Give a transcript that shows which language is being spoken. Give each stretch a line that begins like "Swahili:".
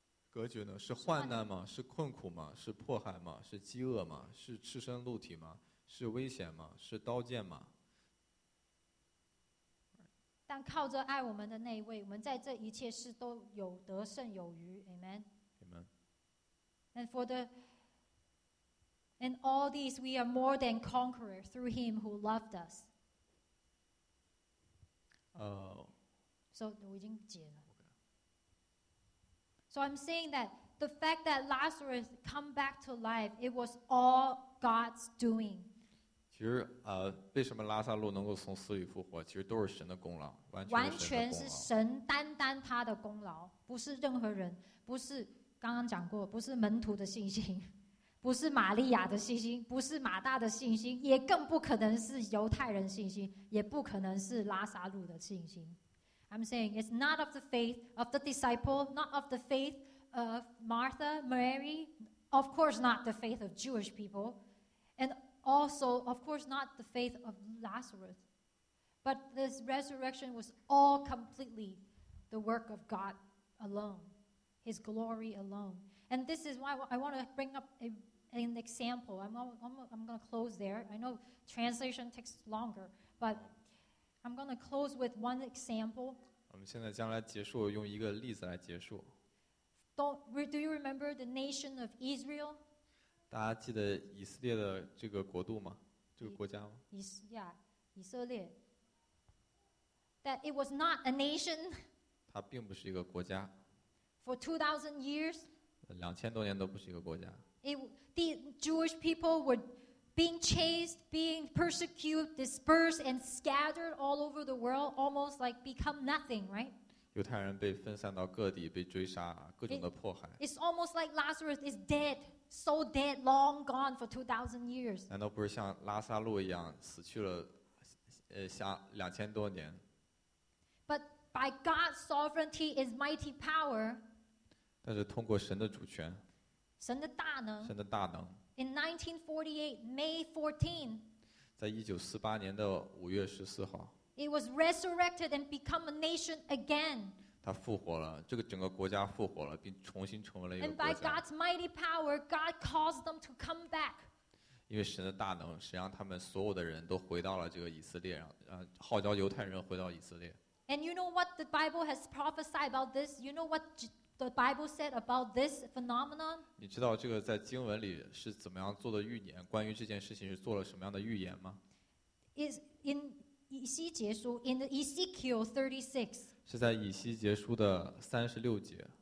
Chinese: 隔绝呢，是患难吗？是困苦吗？是迫害吗？是饥饿吗？是赤身露体吗？是危险吗？是刀剑吗？但靠着爱我们的那一位，我们在这一切事都有得胜有余。
English: Amen. Amen. And for the in all these we are more than conquerors through him who loved us.
Chinese: So 我已经解了。
English: So I'm saying that the fact that Lazarus come back to life, it was all God's doing.
Chinese: 其实为什么拉撒路能够从死里复活，其实都是神的功劳，完全是完全是神单单他的功劳，不是任何人，不是刚刚讲过，不是门徒的信心，不是玛利亚的信心，不是马大的信心，也更不可能是犹太人信心，也不可能是拉撒路的信心。
English: I'm saying it's not of the faith of the disciple, not of the faith of Martha, Mary, of course not the faith of Jewish people, and also, of course, not the faith of Lazarus. But this resurrection was all completely the work of God alone, his glory alone. And this is why I want to bring up an example. I'm going to close there. I know translation takes longer, but I'm going to close with one example.
Chinese: 我们现在将来结束，用一个例子来结束。
English: Do you remember the nation of Israel?
Chinese: 大家记得以色列的这个国度吗？这个国家吗？
English: 以色列。That it was not a nation.
Chinese: 它并不是一个国家。
English: For 2,000 years.
Chinese: 两千多年都不是一个国家。
English: The Jewish people were. Being chased, being persecuted, dispersed, and scattered all over the world, almost like become nothing, right?
Chinese: 犹太人被分散到各地，被追杀，各种的迫害。
English: It's almost like Lazarus is dead, so dead, long gone for 2,000 years.
Chinese: 难道不是像拉撒路一样死去了，像两千多年
English: ？But by God's sovereignty, His mighty power.
Chinese: 但是通过神的主权，神的大能，神的大能。
English: In 1948, May 14th, it was resurrected and become a nation again.
Chinese: 它复活了，这个整个国家复活了，并重新成为了一个国家。
English: And by God's mighty power, God caused them to come back.
Chinese: 因为神的大能，神让他们所有的人都回到了这个以色列，号召犹太人回到以色列。
English: And you know what the Bible has prophesied about this? You know what the Bible said about this phenomenon?
Chinese: 你知道这个在经文里是怎么样做的预言，关于这件事情是做了什么样的预言吗？
English: Is in 以西结书 in the Ezekiel 36.
Chinese: 是在以西结书的三十六节。